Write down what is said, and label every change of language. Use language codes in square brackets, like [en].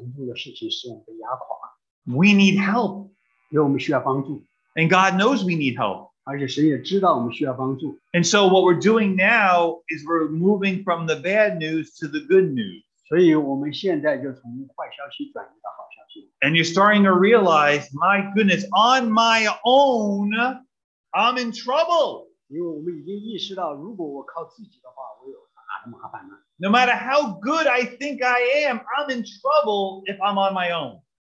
[zh] 因为我们已经学到了，刚才已经学到了，神的公义这个事情我们没有，而且呢，这公义是一个如此程度的事情，使我们被压垮。 [en] We need help. [zh] 因为我们需要帮助。 [en] And God knows we need help. [zh] 而且神也知道我们需要帮助。 [en] And so what we're doing now is we're moving from the bad news to the good news. [zh] 所以我们现在就从坏消息转移到好消息。And [en] you're starting to realize, my goodness, on my own, I'm in trouble. No matter how good I think I am, I'm in trouble if I'm on my own.